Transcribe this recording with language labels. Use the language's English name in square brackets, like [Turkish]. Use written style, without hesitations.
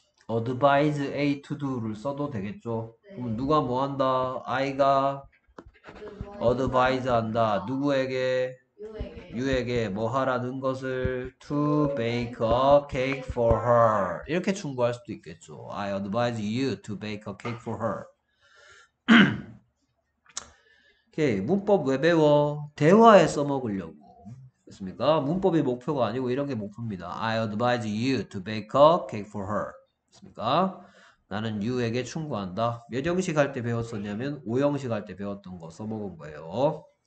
[English] Advise A to do를 [Korean] 써도 되겠죠. 그럼 누가 뭐 한다? I가 advise 한다. 누구에게? 유에게 뭐 하라는 것을? [English] To bake a cake for her. [Korean] 이렇게 충고할 수도 있겠죠. [English] I advise you to bake a cake for her. [Korean] 오케이. 문법 왜 배워? 대화에 써먹으려고. 됐습니까? 문법이 목표가 아니고 이런 게 목표입니다. [English] I advise you to bake a cake for her. [Korean] 됐습니까? 나는 유에게 충고한다. 몇 형식 할때 배웠었냐면 5형식 할때 배웠던 거 써먹은 거예요.